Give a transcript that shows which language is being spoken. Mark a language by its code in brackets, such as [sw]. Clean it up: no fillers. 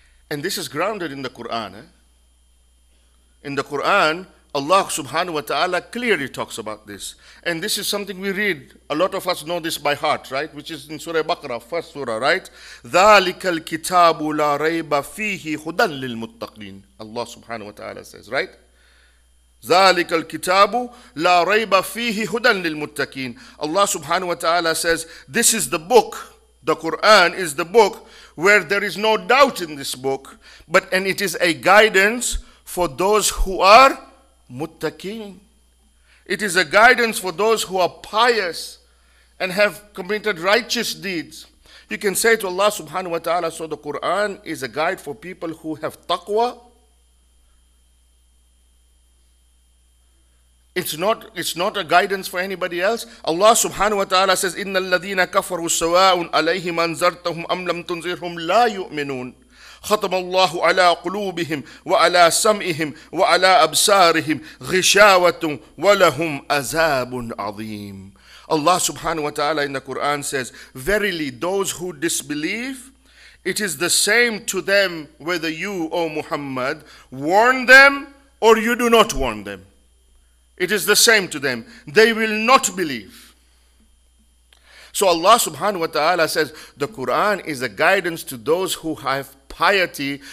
[en] And this is grounded in the Quran. In the Quran, Allah subhanahu wa ta'ala clearly talks about this. And this is something we read. A lot of us know this by heart, right? Which is in Surah Baqarah, first surah, right? [ar] ذَلِكَ الْكِتَابُ لَا رَيْبَ فِيهِ هُدًى لِلْمُتَّقِينَ [en] Allah subhanahu wa ta'ala says, right? [ar] ذَلِكَ الْكِتَابُ لَا رَيْبَ فِيهِ هُدًى لِلْمُتَّقِينَ [en] Allah subhanahu wa ta'ala says, this is the book, the Quran is the book where there is no doubt in this book, but and it is a guidance for those who are Muttaqin. It is a guidance for those who are pious and have committed righteous deeds. You can say to Allah subhanahu wa ta'ala, so the Quran is a guide for people who have taqwa. It's not a guidance for anybody else. [ar] Allah subhanahu wa ta'ala says, Inna alladhina kafaru sawa'un alayhim anzartahum am lam tunzirhum la yu'minun. ختم الله على قلوبهم وعلى سمعهم وعلى أبصارهم غشاوة ولهم عذاب عظيم. [en] Allah subhanahu wa ta'ala in the Quran says, verily those who disbelieve, it is the same to them whether you, O Muhammad, warn them or you do not warn them. It is the same to them. They will not believe. So Allah subhanahu wa ta'ala says, the Quran is a guidance to those who have piety.